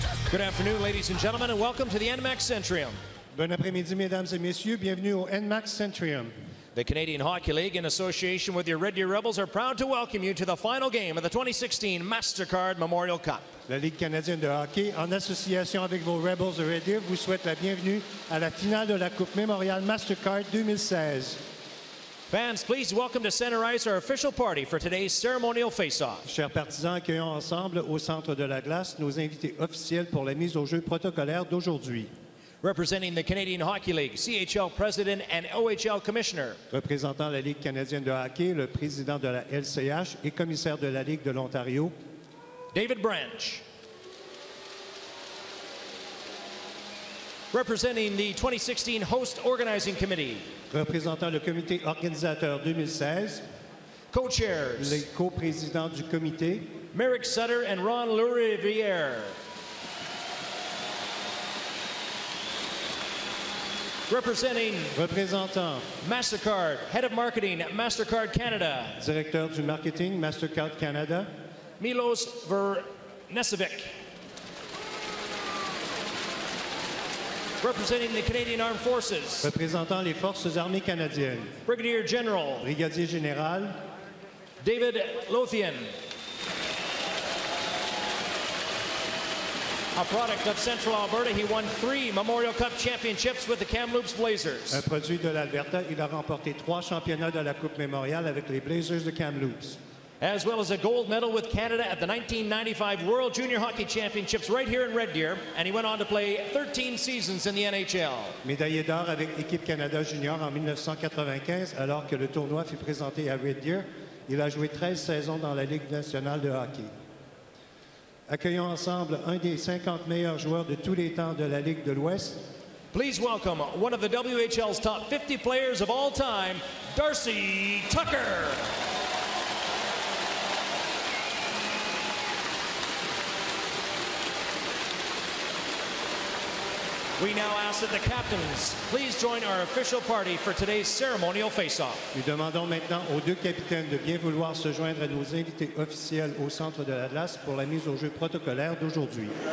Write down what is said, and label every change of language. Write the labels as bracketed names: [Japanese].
[English] Good afternoon, ladies and gentlemen, and welcome to the NMAX Centrium. [French] Bon après-midi, mesdames et messieurs. Bienvenue au NMAX Centrium. [English] The Canadian Hockey League, in association with your Red Deer Rebels, are proud to welcome you to the final game of the 2016 MasterCard Memorial Cup. [French] La Ligue canadienne de hockey, en association avec vos Rebels de Red Deer, vous souhaite la bienvenue à la finale de la Coupe Memorial MasterCard 2016. [English] Fans, please welcome to center ice our official party for today's ceremonial face-off. [French] Chers partisans, accueillons ensemble au centre de la glace nos invités officiels pour la mise au jeu protocolaire d'aujourd'hui. [English] Representing the Canadian Hockey League, CHL President and OHL Commissioner. [French] Représentant la Ligue canadienne de hockey, le président de la LCH et commissaire de la Ligue de l'Ontario. David Branch. [English] Representing the 2016 Host Organizing Committee. [French] Représentant le comité organisateur 2016. [English] Co-chairs. [French] Les co-présidents du comité. Merrick Sutter and Ron Lurivière. Representant [English] MasterCard, Head of Marketing at MasterCard Canada. [French] Directeur du marketing, MasterCard Canada. Milos Vernesevic. [English] Representing the Canadian Armed Forces. [French] Représentant les forces armées canadiennes. [English] Brigadier General. [French] Brigadier général. David Lothian. [English] A product of Central Alberta, he won three Memorial Cup championships with the Kamloops Blazers. [French] Un produit de l'Alberta, il a remporté trois championnats de la Coupe Memorial avec les Blazers de Kamloops. [English] As well as a gold medal with Canada at the 1995 World Junior Hockey Championships right here in Red Deer, and he went on to play 13 seasons in the NHL. [French] Médaillé d'or avec l'équipe Canada Junior en 1995, alors que le tournoi fut présenté à Red Deer, il a joué 13 saisons dans la Ligue nationale de hockey. Accueillons ensemble un des 50 meilleurs joueurs de tous les temps de la Ligue de l'Ouest. [English] Please welcome one of the WHL's top 50 players of all time, Darcy Tucker. We now ask that the captains please join our official party for today's ceremonial face-off. [French] Nous demandons maintenant aux deux capitaines de bien vouloir se joindre à nos invités officiels au centre de la glace pour la mise au jeu protocolaire d'aujourd'hui.